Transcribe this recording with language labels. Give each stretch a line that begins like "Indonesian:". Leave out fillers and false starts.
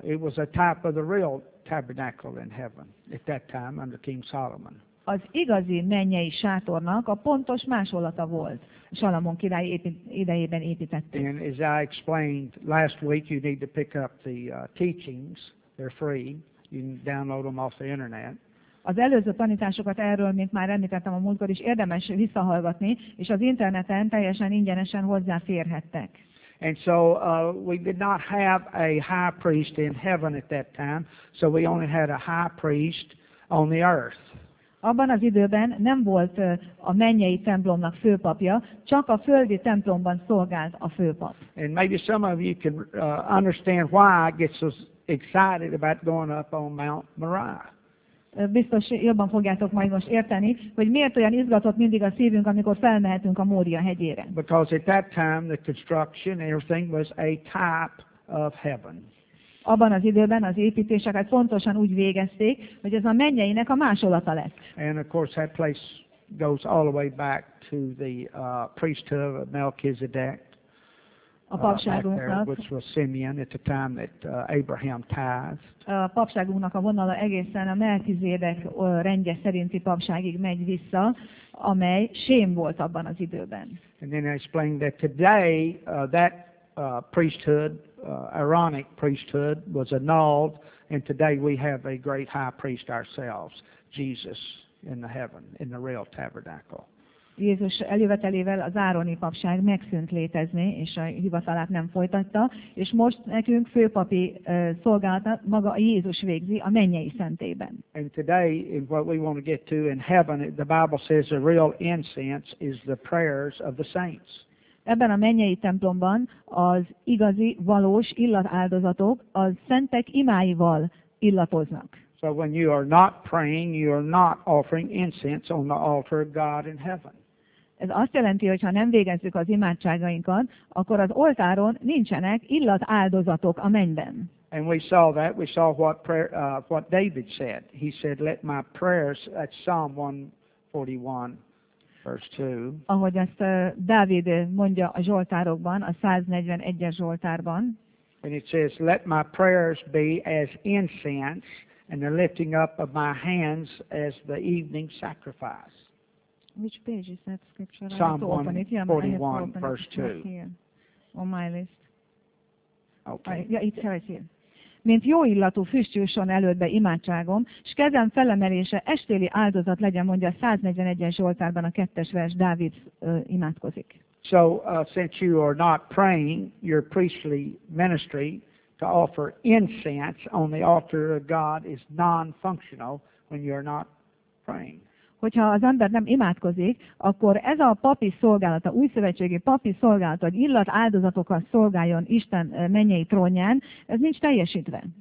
English: It was a type of the real tabernacle in heaven at that time under King Solomon.
Hungarian: az igazi mennyei sátornak a pontos másolata volt. Salamon király idejében építették.
English: And as I explained last week, you need to pick up the teachings. They're free. You can download them off the internet.
Hungarian: Az előző tanításokat erről, mint már említettem a múltkor is, érdemes visszahallgatni, és az interneten teljesen ingyenesen hozzáférhettek.
English: And so we did not have a high priest in heaven at that time, so we only had a high priest on the earth.
Hungarian: Abban az időben nem volt a mennyei templomnak főpapja, csak a földi templomban szolgált a főpap.
English: And maybe some of you can understand why I get so excited about going up on Mount Moriah.
Hungarian: Biztos jobban fogjátok majd most érteni, hogy miért olyan izgatott mindig a szívünk, amikor felmehetünk a Mória hegyére.
English: Because at that time the construction and everything was a type of heaven.
Hungarian: Abban az időben az építéseket pontosan úgy végezték, hogy ez a mennyeinek a másolata lett.
English: And of course that place goes all the way back to the priesthood of Melchizedek.
Hungarian: A papságunknak,
English: which was Simeon at the time that Abraham tithed.
Hungarian: A papságunknak a vonala egészen a Melchizedek rendje szerinti papságig megy vissza, amely Sém volt abban az időben.
English: And then I explained that today that priesthood, Aaronic priesthood, was annulled, and today we have a great high priest ourselves, Jesus, in the heaven, in the real tabernacle.
Hungarian: Jézus eljövetelével az ároni papság megszűnt létezni, és a hivatalát nem folytatta, és most nekünk főpapi szolgálata maga Jézus végzi a mennyei szentében.
English: And today, in what we want to get to in heaven, the Bible says the real incense is the prayers of the saints.
Hungarian: Ebben a mennyei templomban az igazi, valós illatáldozatok a szentek imáival illatoznak.
English: So when you are not praying, you are not offering incense on the altar of God in heaven.
Hungarian: Ez azt jelenti, hogy ha nem végezzük az imádságainkat, akkor az oltáron nincsenek illatáldozatok a mennyben.
English: And we saw that. We saw what prayer, what David said. He said, "Let my prayers," at Psalm 141, verse 2.
Hungarian: Ahogy ezt Dávid mondja a zsoltárokban, a 141-es zsoltárban.
English: And it says, "Let my prayers be as incense." And the lifting up of my hands as the evening sacrifice. Which page is that scripture? Psalm 141, verse 2. On my list. Okay. Yeah, it's right here.
Hungarian: Mint jó illatú füstjusson előtte imádságom, s kezem felemelése estéli áldozat legyen, mondja a 141-es zsoltárban a 2-es vers, Dávid imádkozik.
English: So, since you are not praying your priestly ministry, to offer incense on the altar of God is non-functional when you are not praying.
Hungarian: Hogyha az ember nem imádkozik, akkor ez a papi szolgálata, újszövetségi papi szolgálata, hogy illat áldozatokat szolgáljon Isten mennyei trónján, ez nincs teljesítve.